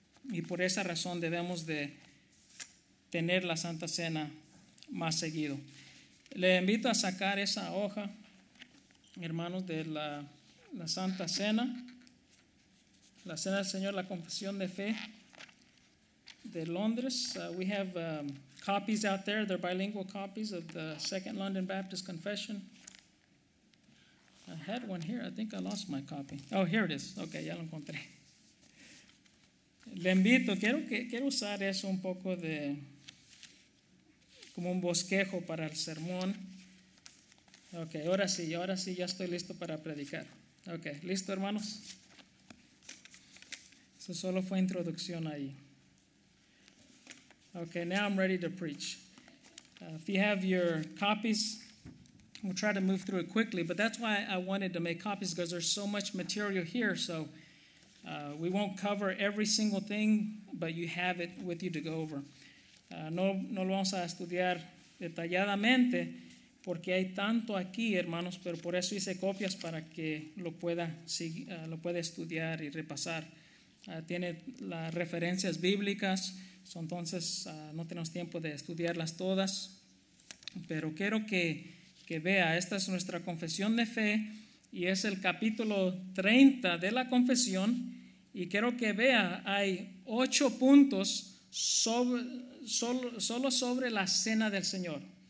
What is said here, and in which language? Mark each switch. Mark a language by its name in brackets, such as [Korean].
[Spanish] Y por esa razón debemos de tener la Santa Cena más seguido. Le invito a sacar esa hoja, hermanos, de la Santa Cena. La Cena del Señor, la Confesión de Fe de Londres. [English] We have copies out there. They're bilingual copies of the Second London Baptist Confession. I had one here. I think I lost my copy. Oh, here it is. Okay, [Spanish] ya lo encontré. Le invito. Quiero usar eso un poco de como un bosquejo para el sermón. Okay, ahora sí, ya estoy listo para predicar. Okay, listo, hermanos. So solo fue introducción ahí. [English] Okay, now I'm ready to preach. If you have your copies, we'll try to move through it quickly, but that's why I wanted to make copies, because there's so much material here, so we won't cover every single thing, but you have it with you to go over. [Spanish] No lo vamos a estudiar detalladamente, porque hay tanto aquí, hermanos, pero por eso hice copias para que lo pueda estudiar y repasar. tiene las referencias bíblicas, entonces no tenemos tiempo de estudiarlas todas, pero quiero que vea, esta es nuestra confesión de fe y es el capítulo 30 de la confesión, y quiero que vea, hay 8 puntos solo sobre la cena del Señor.